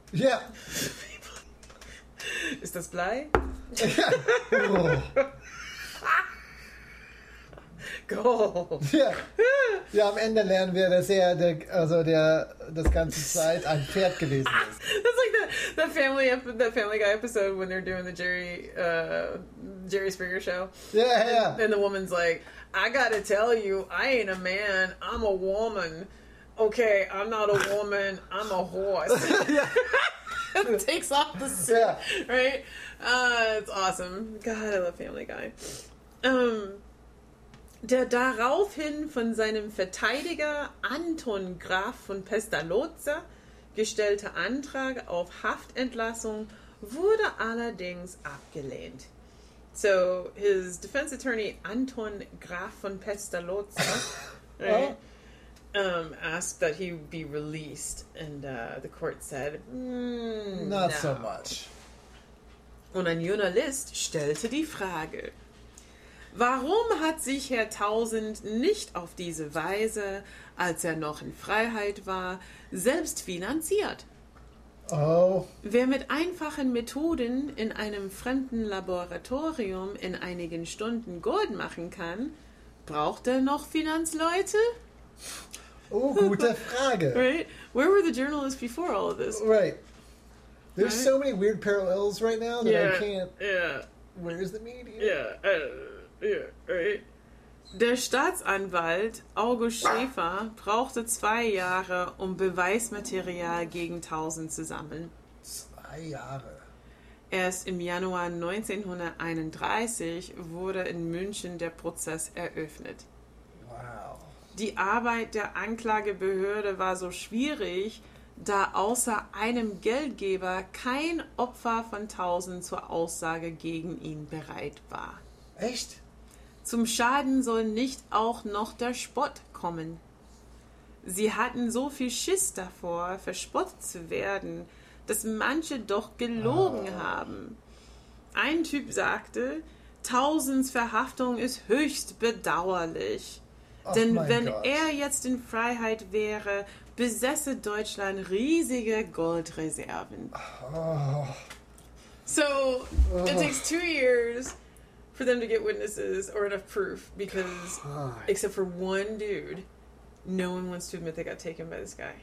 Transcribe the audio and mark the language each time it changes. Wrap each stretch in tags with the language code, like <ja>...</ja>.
<de>Ja. Ist das Blei? Ja. Oh. Gold. Ja. Ja, am Ende lernen wir, dass er das ganze Zeit ein Pferd gewesen ist.</de> <en>That's like the Family Guy episode when they're doing the Jerry Springer show. Yeah. And the woman's like, I gotta tell you, I ain't a man, I'm a woman. Okay, I'm not a woman, I'm a horse. Takes off the suit, right? It's awesome. God, I love Family Guy.</en> <de>Der daraufhin von seinem Verteidiger Anton Graf von Pestalozza gestellte Antrag auf Haftentlassung wurde allerdings abgelehnt.</de> <en>So, his defense attorney Anton Graf von Pestalozza asked that he be released, and the court said, not so much.</en> <de>Und ein Journalist stellte die Frage: Warum hat sich Herr Tausend nicht auf diese Weise, als er noch in Freiheit war, selbst finanziert? Oh. Wer mit einfachen Methoden in einem fremden Laboratorium in einigen Stunden Gold machen kann, braucht er noch Finanzleute? Oh, gute Frage.</de> <en>Right? Where were the journalists before all of this? Right. There's so many weird parallels right now that I can't... Yeah. Where's the media?</en> <de>Der Staatsanwalt August Schäfer brauchte 2 Jahre, um Beweismaterial gegen Tausend zu sammeln. 2 Jahre? Erst im Januar 1931 wurde in München der Prozess eröffnet. Wow. Die Arbeit der Anklagebehörde war so schwierig, da außer einem Geldgeber kein Opfer von Tausend zur Aussage gegen ihn bereit war. Echt? Zum Schaden soll nicht auch noch der Spott kommen. Sie hatten so viel Schiss davor, verspottet zu werden, dass manche doch gelogen haben. Ein Typ sagte, Tausends Verhaftung ist höchst bedauerlich. Denn wenn er jetzt in Freiheit wäre, besäße Deutschland riesige Goldreserven.</de> <en>It takes 2 years... for them to get witnesses or enough proof, because except for one dude, no one wants to admit they got taken by this guy.</en>